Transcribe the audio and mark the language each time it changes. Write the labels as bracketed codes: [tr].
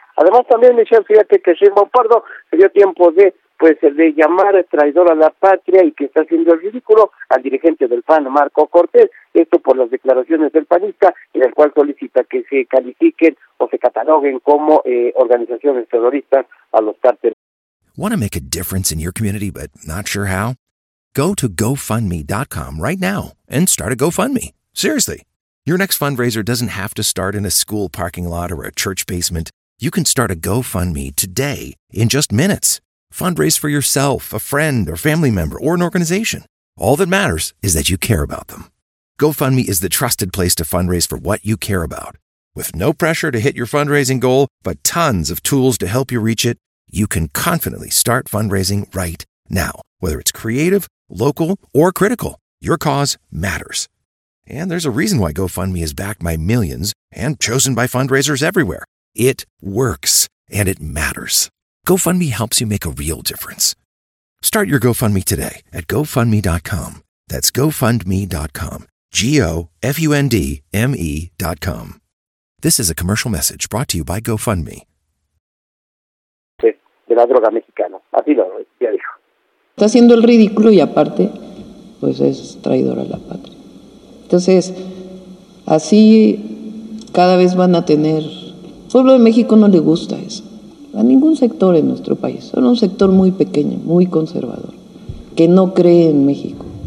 [es] Además también, Michelle, fíjate que Sheinbaum Pardo se dio tiempo de llamar traidor a la patria y que está haciendo el ridículo al dirigente del PAN, Marco Cortés, esto por las declaraciones del panista, en el cual solicita que se califiquen o se cataloguen como organizaciones terroristas a los cárteles. [en] Want to make a difference in your community but not sure how? Go to GoFundMe.com right now and start a GoFundMe. Seriously, your next fundraiser doesn't have to start in a school parking lot or a church basement. You can start a GoFundMe today in just minutes. Fundraise for yourself, a friend, or family member, or an organization. All that matters is that you care about them. GoFundMe is the trusted place to fundraise for what you care about. With no pressure to hit your fundraising goal, but tons of tools to help you reach it, you can confidently start fundraising right now. Whether it's creative, local, or critical, your cause matters. And there's a reason why GoFundMe is backed by millions and chosen by fundraisers everywhere. It works, and it matters. GoFundMe helps you make a real difference. Start your GoFundMe today at GoFundMe.com. That's GoFundMe.com. GoFundMe.com. This is a commercial message brought to you by GoFundMe. [es] De la droga mexicana. Así lo ya dijo. Está haciendo el ridículo y aparte, pues es traidor a la patria. Entonces, así cada vez van a tener... El pueblo de México no le gusta eso. A ningún sector en nuestro país, solo un sector muy pequeño, muy conservador, que no cree en México.